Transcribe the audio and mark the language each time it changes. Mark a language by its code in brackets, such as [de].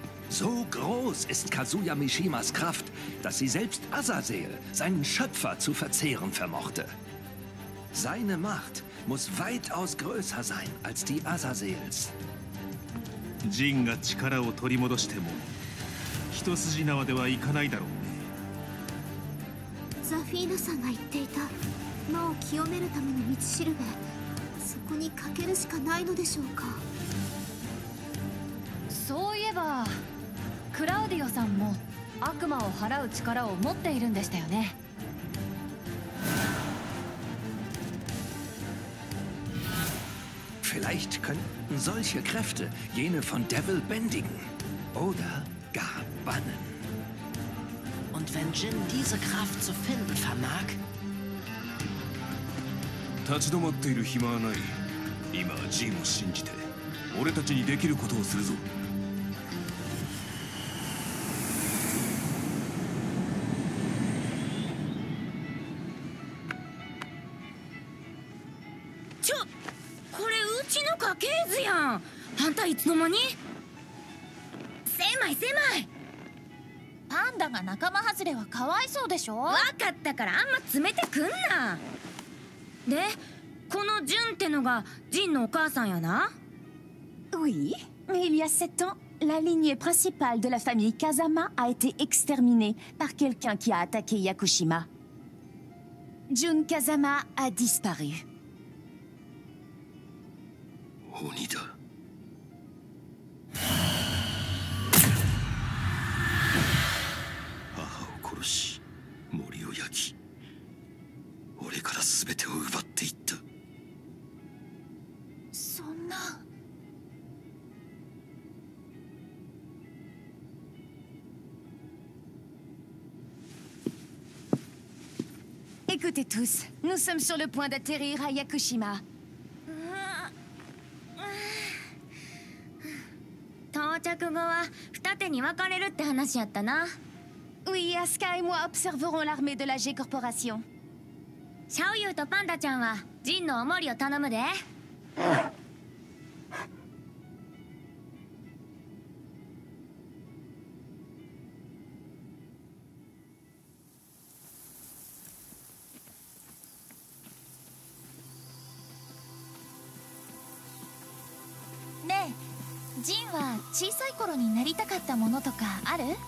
[de] So groß ist Kazuya Mishimas Kraft, dass sie selbst Azazel, seinen Schöpfer, zu verzehren vermochte. Seine Macht muss weitaus größer sein als die Azazels. [ja] Jin が力を取り戻しても、一筋縄ではいかないだろうね。ザフィーナさんが言っていた。魔を清めるための道しるべ、そこにかけるしかないのでしょうか。そういえばクラウディオさんも悪魔を払う力を持っているんでしたよね。 [de] Vielleicht könnten solche Kräfte jene von Devil bändigen oder gar bannen. Und wenn Jin diese Kraft zu finden vermag. [ja] 立ち止まっている暇はない。今はジンを信じて、俺たちにできることをするぞ。ちょ、これうちの家系図やん。あんたいつの間に？狭い狭い。パンダが仲間外れはかわいそうでしょ。わかったからあんま詰めてくんな。で。このジュンってのがジンのお母さんやな。 [fr] Oui, il y a 7 ans, la lignée principale de la famille Kazama a été exterminée par quelqu'un qui a attaqué Yakushima. ジュン・カザマ a disparu. [ja] 鬼だ。母を殺し、森を焼き、俺から全てを奪っていった。 [fr] Écoutez tous, nous sommes sur le point d'atterrir à Yakushima. [ja] 着後は二手に分かれるって話やったな。 [fr] Oui, Asuka et moi observerons l'armée de la G Corporation. [ja] Xiao Yu とパンダちゃんはジンのおもりを頼むで。ねえ、ジンは小さい頃になりたかったものとかある？